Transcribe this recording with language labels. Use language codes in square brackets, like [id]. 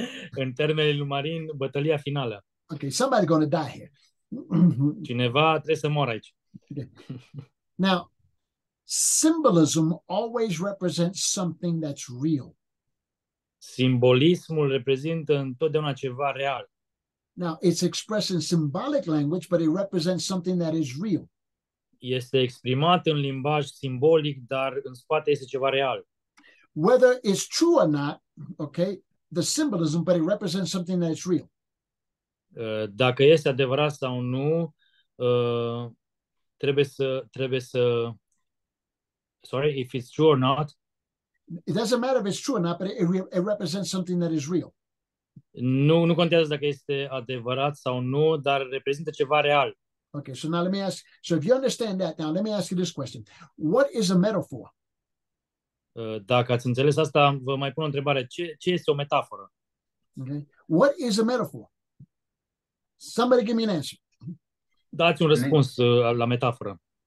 [ro] În termenii lui Marin, bătălia finală. [en] Okay, somebody's going to die here. [ro] Cineva trebuie să moară aici. [en] Okay. Now, symbolism always represents something that's real. [ro] Simbolismul reprezintă întotdeauna ceva real. [en] Now, it's expressed in symbolic language, but it represents something that is real. [ro] Este exprimat în limbaj simbolic, dar în spate este ceva real. [en] Whether it's true or not, okay, the symbolism, but it represents something that is real. [ro] Dacă este adevărat sau nu, trebuie să [en] sorry, if it's true or not. It doesn't matter if it's true or not, but it represents something that is real. [ro] Nu contează dacă este adevărat sau nu, dar reprezintă ceva real. [en] Okay, so now let me ask. So if you understand that, now let me ask you this question: what is a metaphor? [ro] Dacă ați înțeles asta, vă mai pun o întrebare: ce este o metaforă? [en] Okay, what is a metaphor? Somebody give me an answer. [ro] Dați un răspuns la metaforă.